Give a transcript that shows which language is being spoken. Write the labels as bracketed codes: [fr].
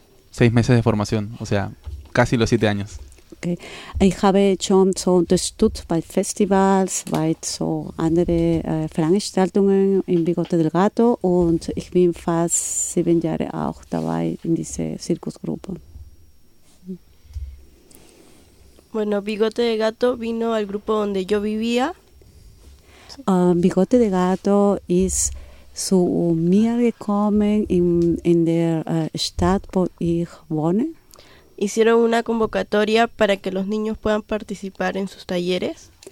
[es] 6 meses de formación, o sea, casi los 7 años. Okay. [de] Ich habe schon so unterstützt bei Festivals, bei so andere Veranstaltungen in Bigote del Gato und ich bin fast 7 Jahre auch dabei in diese Zirkusgruppe. [es] Bueno, Bigote de Gato vino al grupo donde yo vivía. [de] Bigote de Gato ist zu mir gekommen in der Stadt, wo ich wohne. [es] Hicieron una convocatoria para que los niños puedan participar en sus talleres.